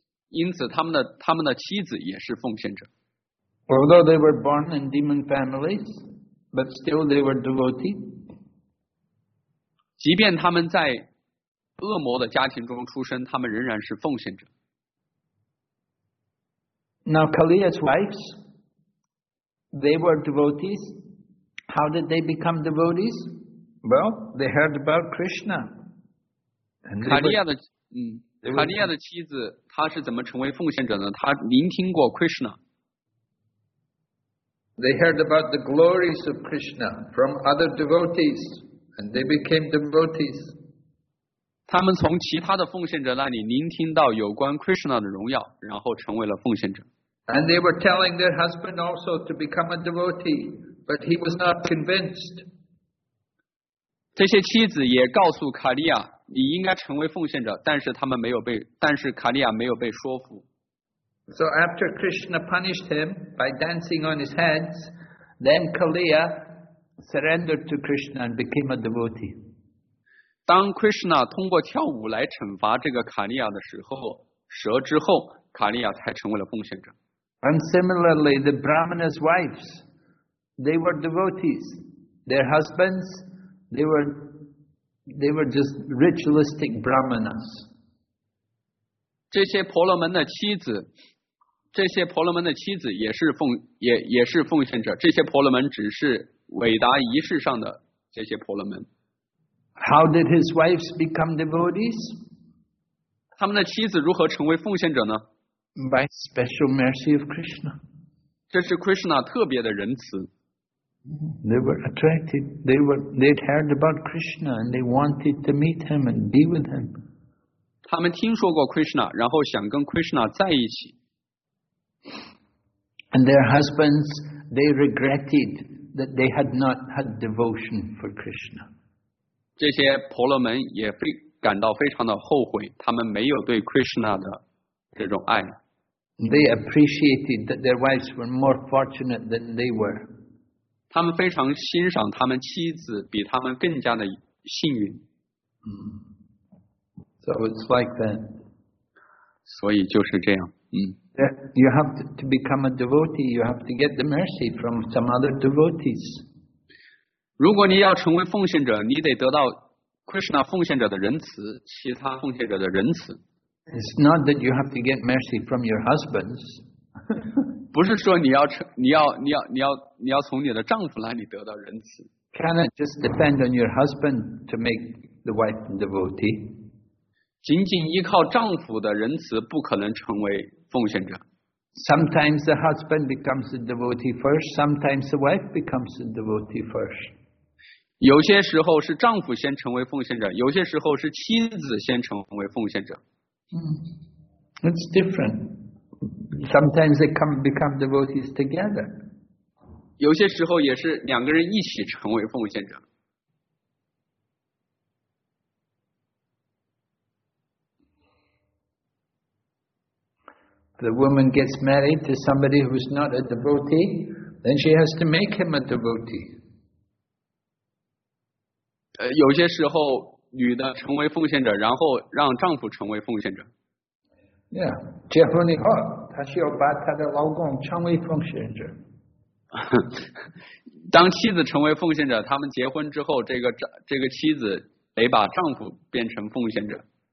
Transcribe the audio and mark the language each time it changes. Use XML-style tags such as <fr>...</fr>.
<zh>因此他们的妻子也是奉献者。</zh> <en>Although they were born in demon families, but still they were devotees.</en> <zh>即便他们在恶魔的家庭中出生他们仍然是奉献者。</zh> <en>Now Kaliya's wives, they were devotees. How did they become devotees? Well, they heard about Krishna.</en> <zh>Kaliya 的卡利亚的妻子她是怎么成为奉献者呢她聆听过 Krishna</zh> <en>They heard about the glories of Krishna from other devotees and they became devotees</en> <zh>他们从其他的奉献者那里聆听到有关 Krishna 的荣耀然后成为了奉献者</zh> <en>And they were telling their husband also to become a devotee but he was not convinced</en> <zh>这些妻子也告诉卡利亚你应该成为奉献者但是他们没有被但是卡利亚没有被说服</zh> <en>So after Krishna punished him by dancing on his hands then Kaliya surrendered to Krishna and became a devotee</en> <zh>当 Krishna 通过跳舞来惩罚这个卡利亚的时候蛇之后卡利亚才成为了奉献者</zh> <en>And similarly the Brahmana's wives they were devotees their husbands they were just ritualistic brahmanas.</en> <zh>这些婆罗门的妻子，这些婆罗门的妻子也是奉也也是奉献者。这些婆罗门只是伟大仪式上的这些婆罗门。</zh> <en>How did his wives become devotees?</en> <zh>他们的妻子如何成为奉献者呢</zh> <en>？By special mercy of Krishna.</en> <zh>这是 Krishna 特别的仁慈。</zh> <en>They were attracted. They'd heard about Krishna and they wanted to meet him and be with him.</en> <zh>他们听说过 Krishna, 然后想跟 Krishna 在一起。</zh> <en>And their husbands, they regretted that they had not had devotion for Krishna.</en> <zh>这些婆罗门也感到非常的后悔，他们没有对 Krishna 的这种爱。</zh> <en>They appreciated that their wives were more fortunate than they were.</en> <zh>他们非常欣赏他们妻子比他们更加的幸运。</zh> <en>So it's like that.</en> <zh>所以就是这样。</zh> <en>You have to become a devotee, you have to get the mercy from some other devotees.</en> <zh>如果你要成为奉献者你得得到 Krishna 奉献者的仁慈其他奉献者的仁慈。</zh> <en>It's not that you have to get mercy from your husbands.</en> <zh>不是说你要从你的丈夫那里得到仁慈。</zh> <en>Cannot just depend on your husband to make the wife a devotee.</en> <zh>仅仅依靠丈夫的仁慈不可能成为奉献者。</zh> <en>Sometimes the husband becomes a devotee first, sometimes the wife becomes a devotee first.</en> <zh>有些时候是丈夫先成为奉献者，有些时候是妻子先成为奉献者。</zh> <en>It's different. Sometimes they come become devotees together.</en> <zh>有些时候也是两个人一起成为奉献者。</zh> <en>The woman gets married to somebody who's not a devotee, then she has to make him a devotee.</en> <zh>有些时候女的成为奉献者，然后让丈夫成为奉献者。 Yeah, 结婚以后，她需要把她的老公成为奉献者。当妻子成为奉献者，他们结婚之后，这个妻子得把丈夫变成奉献者。</zh>